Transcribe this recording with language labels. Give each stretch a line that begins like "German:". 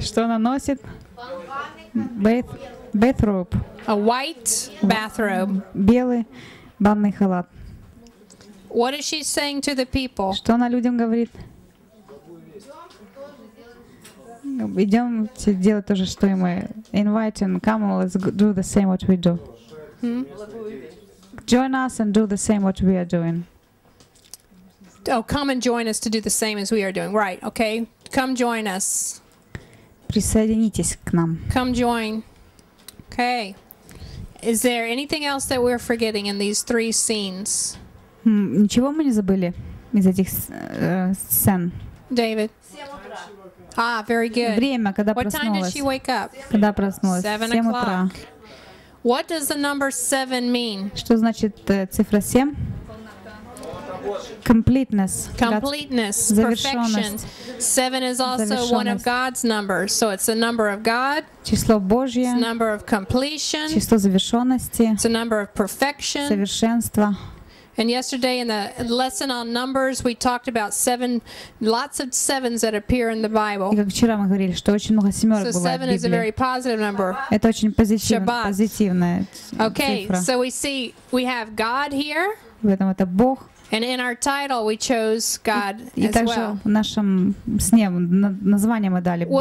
Russian: Что она носит?
English: Bathrobe. A white bathrobe.
Russian: Белый банный халат.
English: What is she saying to the people?
Russian: Что она людям говорит? Идем делать то же, что и мы.
English: Invite and come, let's do the same what we do. Join us and do the same what we are doing. Oh, come and join us to do the same as we are doing. Right, okay. Come join us.
Russian: Присоединитесь к нам.
English: Come join. Okay. Is there anything else that we're forgetting in these three scenes?
Russian: Ничего мы не забыли из этих сцен.
English: David. Ah, very good.
Russian: Время, когда
English: what
Russian: проснулась.
English: What time did she wake up?
Russian: Когда проснулась?
English: 7 o'clock.
Russian: Утра.
English: What does the number 7 mean?
Russian: Что значит цифра 7?
English: Completeness. Completeness. Perfection. 7 is also one of God's numbers. So it's the number of God.
Russian: Число Божье.
English: It's a number of completion.
Russian: Число завершенности.
English: It's a number of perfection.
Russian: Совершенство.
English: And yesterday in the lesson on numbers, we talked about seven, lots of sevens that appear in the Bible.
Russian: И как вчера мы говорили, что очень много семерок бывает в Библии.
English: So seven is a very positive number.
Russian: Это очень позитивная цифра.
English: Okay, so we see we have God here.
Russian: В этом это Бог.
English: And in our title, we chose God as well.
Russian: И также в нашем сне название мы дали Бог.